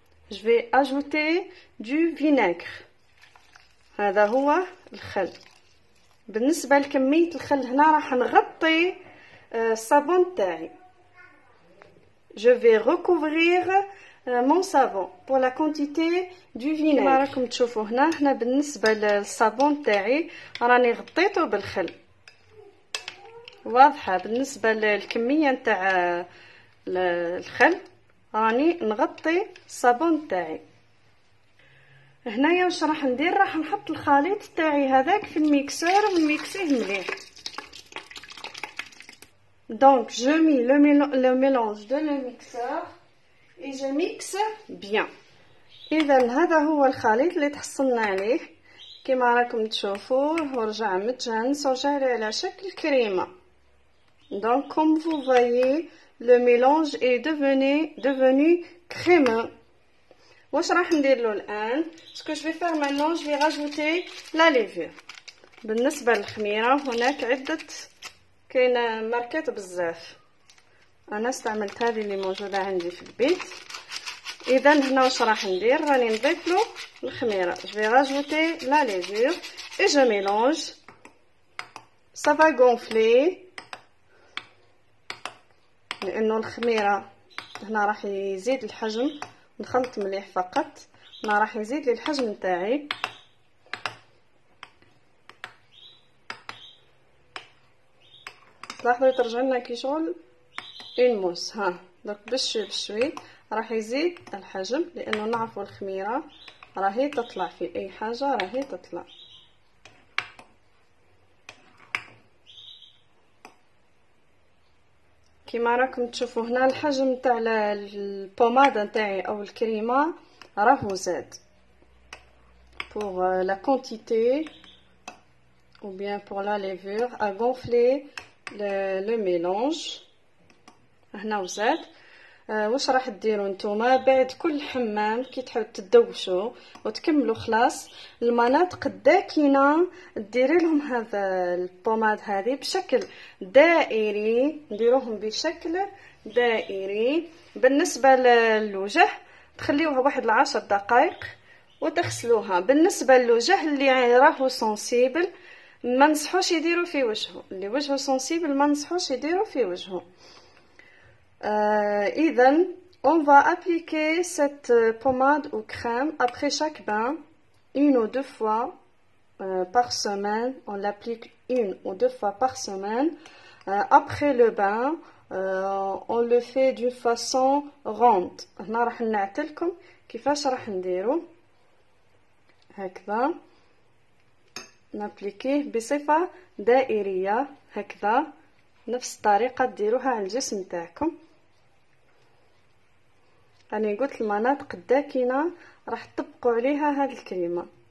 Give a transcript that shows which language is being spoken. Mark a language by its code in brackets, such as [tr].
[fr] Je vais ajouter du vinaigre. [ar] هذا هو الخل. بالنسبة لكمية الخل هنا راح نغطي الصابون تاعي. [fr] Je vais recouvrir mon savon pour la quantité du vinaigre. [ar] كما راكم تشوفوا هنا، هنا بالنسبة للصابون تاعي راني غطيته بالخل. واضحة بالنسبة للكمية نتاع الخل راني نغطي الصابون تاعي. هنايا واش راح ندير؟ راح نحط الخليط تاعي هذاك في الميكسور ونميكسيه مليح. [fr] دونك جو مي لو ميلونج دو لو ميكسور اي جو ميكس بيان. [ar] اذا هذا هو الخليط اللي تحصلنا عليه، كما راكم تشوفوا ورجع متجانس ورجع لي على شكل كريمة. [fr] Donc, comme vous voyez, le mélange est devenu crémeux. [ar] واش راح ندير له الان؟ [fr] ce que je vais faire maintenant, je vais rajouter la levure. [ar] بالنسبه للخميره هناك عده كاين ماركات بزاف، انا استعملت هذه اللي موجوده عندي في البيت. اذا هنا واش راح ندير؟ راني نضيف له الخميره. [fr] je vais rajouter la levure et je mélange. ça va gonfler. [ar] لانه الخميره هنا راح يزيد الحجم، نخلط مليح فقط، هنا راح يزيد لي الحجم تاعي. تلاحظوا يترجع لنا كي شغل [fr] اون موس. [ar] ها دوك بشوي بشوي راح يزيد الحجم، لانه نعرفوا الخميره راهي تطلع في اي حاجه راهي تطلع. كما راكم تشوفوا هنا الحجم تاع البوماده تاعي او الكريمه راهو زاد. [fr] pour la quantité ou bien pour la levure a gonflé le mélange. [ar] هنا وزاد. واش راح ديروا نتوما بعد كل حمام كي تحبوا تدوشوا وتكملوا خلاص المناطق الداكنه، ديري لهم هذا البوماد هذه بشكل دائري، ديروهم بشكل دائري. بالنسبه للوجه تخليوها واحد 10 دقائق وتغسلوها. بالنسبه للوجه اللي راهو سنسيبل ما نصحوش يديروا في وجهه، اللي وجهه سنسيبل ما نصحوش يديروا في وجهه. [fr] اذا on va appliquer cette pommade ou crème après chaque bain une ou deux fois par semaine. On l'applique une ou deux fois par semaine après le bain. On le fait d'une façon ronde. [ar] هنا راح نعطيكم كيفاش راح نديرو. هكذا نابليكيه بصفه دائريه، هكذا نفس الطريقه ديروها على الجسم تاعكم. انا قلت المناطق الداكنه راح تطبقوا عليها هذه الكريمه.